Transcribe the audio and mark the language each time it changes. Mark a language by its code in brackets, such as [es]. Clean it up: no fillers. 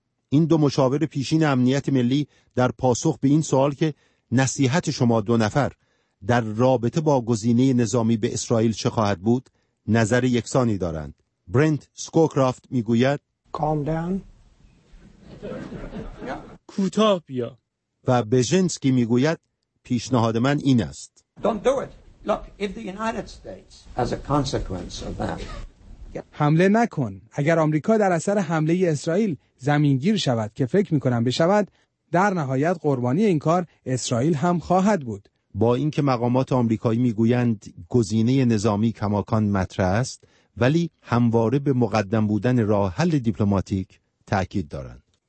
[fa] این دو مشاور پیشین امنیت ملی در پاسخ به این سوال که نصیحت شما دو نفر در رابطه با گزینه نظامی به اسرائیل چه خواهد بود، نظر یکسانی دارند. برنت سکوکرافت میگوید [en] calm down، [fa] کوتاه بیا. و بژنسکی میگوید پیشنهاد من این است [en] don't do it. Look, if the United States as a consequence of that [fa] حمله نکن. اگر آمریکا در اثر حمله اسرائیل زمینگیر شود، که فکر میکنم بشود، در نهایت قربانی این کار اسرائیل هم خواهد بود. با اینکه مقامات آمریکایی میگویند گزینه نظامی کماکان مطرح است، ولی همواره به مقدم بودن راه حل دیپلماتیک تاکید دارند.